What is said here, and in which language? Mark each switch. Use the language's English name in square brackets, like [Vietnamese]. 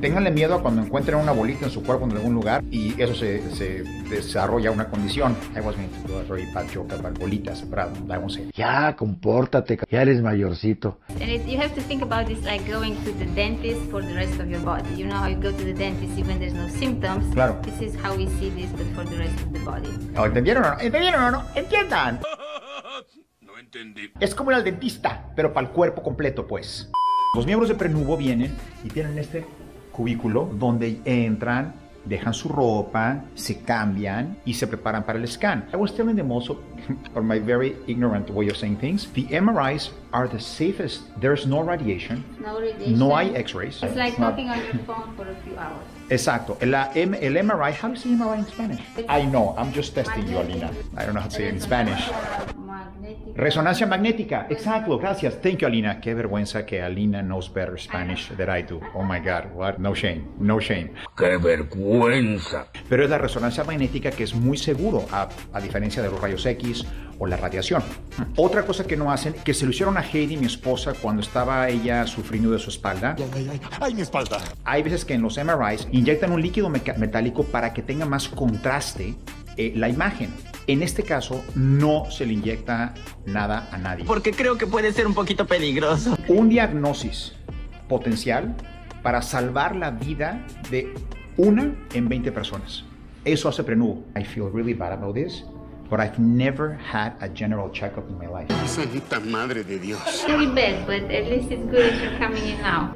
[Spanish] Ténganle miedo a cuando encuentren una bolita en su cuerpo en algún lugar y eso se desarrolla una condición. [English] I was meant to do a very bad joke about bolitas, but I won't say. [Spanish] Ya, compórtate. Ya eres mayorcito. [English] And you have to think about this like going to the dentist for the rest of your body. You know how you go to the dentist even there's no symptoms. [Spanish] Claro. [English] This is how we see this, but for the rest of the body. [Spanish] Oh, ¿entendieron o no? ¿Entendieron o no? ¡Entiendan! No entendí. Es como el dentista, pero para el cuerpo completo, pues. Los miembros de Prenuvo vienen y tienen este cubículo donde entran, dejan su ropa, se cambian y se preparan para el scan. [English] I was telling them also, for my very ignorant way of saying things, the MRIs are the safest. There's no radiation. No radiation. [Spanish] No hay x-rays. [English] It's like talking on your phone for a few hours. [Spanish] Exacto. [English] El MRI, how do you say MRI in Spanish? I know, I'm just testing you, Alina. I don't know how to say it in Spanish. [Spanish] Resonancia magnética. Exacto, gracias. [English] Thank you, Alina. [Spanish] Qué vergüenza que [English] Alina knows better Spanish than I do. Oh my God, what? No shame, no shame. [Spanish] Qué vergüenza. Pero es la resonancia magnética que es muy seguro, a diferencia de los rayos X o la radiación. Otra cosa que no hacen, que se lo hicieron a Heidi, mi esposa, cuando estaba ella sufriendo de su espalda. Ay, ay, ay, ay, mi espalda. Hay veces que en los MRIs inyectan un líquido metálico para que tenga más contraste la imagen. En este caso, no se le inyecta nada a nadie. Porque creo que puede ser un poquito peligroso. Un diagnóstico potencial para salvar la vida de una en 20 personas. Eso hace Prenuvo. [English] I feel really bad about this, but I've never had a general checkup in my life. [Spanish] Santa madre de Dios. [English] It's really bad, but at least it's good if you're coming in now.